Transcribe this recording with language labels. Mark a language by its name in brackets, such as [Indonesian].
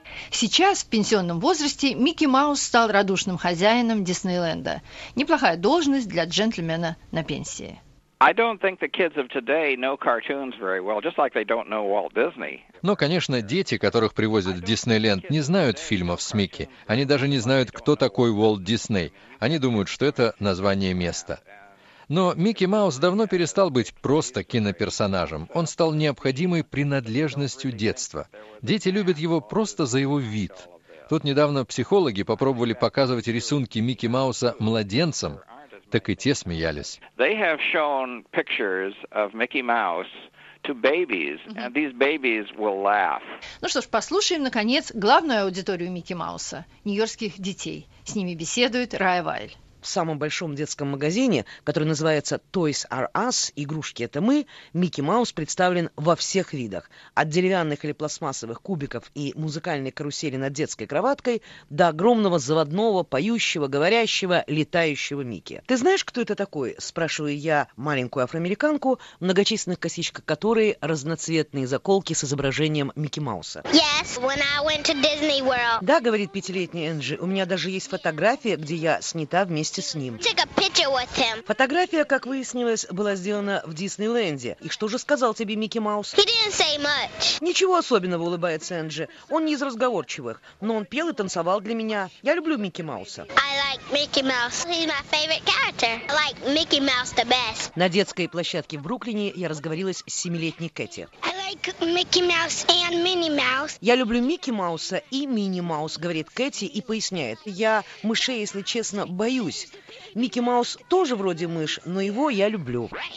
[Russian] Сейчас, в пенсионном возрасте, Микки Маус стал радушным хозяином Диснейленда. Неплохая должность для джентльмена на пенсии. [English] I don't think the kids of today know cartoons very well, just like they don't know Walt Disney. [Russian] Но, конечно, дети, которых привозят в Диснейленд, не знают фильмов с Микки. Они даже не знают, кто такой Уолт Дисней. Они думают, что это название места. Но Микки Маус давно перестал быть просто киноперсонажем. Он стал необходимой принадлежностью детства. Дети любят его просто за его вид. Тут недавно психологи попробовали показывать рисунки Микки Мауса младенцам, так и те смеялись. [English] They have shown pictures of Mickey Mouse to babies, and these babies will laugh. [Russian] Ну что ж, послушаем, наконец, главную аудиторию Микки Мауса – нью-йоркских детей. С ними беседует Рая Вайль. В самом большом детском магазине, который называется Toys R Us – игрушки – это мы, Микки Маус представлен во всех видах. От деревянных или пластмассовых кубиков и музыкальной карусели над детской кроваткой до огромного заводного, поющего, говорящего, летающего Микки. «Ты знаешь, кто это такой?» – спрашиваю я маленькую афроамериканку, в многочисленных косичках которой разноцветные заколки с изображением Микки Мауса. [English] Yes, when I went to Disney World. [Russian] «Да, – говорит пятилетняя Энджи, – у меня даже есть фотография, где я снята вместе с ним. [English] Take a picture with him. [Russian] Фотография, как выяснилось, была сделана в Диснейленде. И что же сказал тебе Микки Маус? [English] He didn't say much. [Russian] Ничего особенного, улыбается Энджи. Он не из разговорчивых, но он пел и танцевал для меня. Я люблю Микки Мауса. [English] I like Mickey Mouse. He's my favorite character. I like Mickey Mouse the best. [Russian] На детской площадке в Бруклине я разговорилась с 7-летней Кэти. [English] I like Mickey Mouse and Minnie Mouse. [Russian] Я люблю Микки Мауса и Минни Маус, говорит Кэти и поясняет. Я мышей, если честно, боюсь. Микки Маус тоже вроде мышь, но его я люблю.